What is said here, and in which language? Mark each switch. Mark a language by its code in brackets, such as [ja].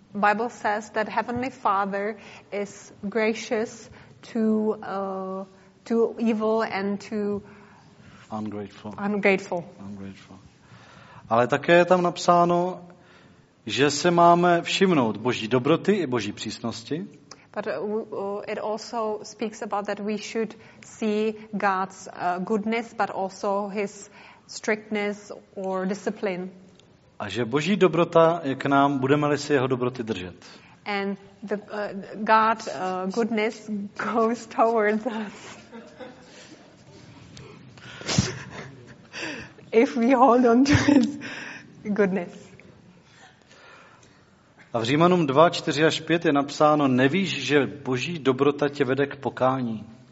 [en] Bible says that heavenly father is gracious to evil and to ungrateful. [cs] Ale také je tam napsáno, že se máme všimnout Boží dobroty i Boží přísnosti. [en] But it also speaks about that we should see God's goodness, but also his strictness or discipline. [cs] A že Boží dobrota je k nám, budeme-li si jeho dobroty držet. [en] And the God's goodness goes towards us. If we hold on to his goodness. [cs] A v Římanům 2, 4 až 5 je napsáno, nevíš, že Boží dobrota tě vede k pokání.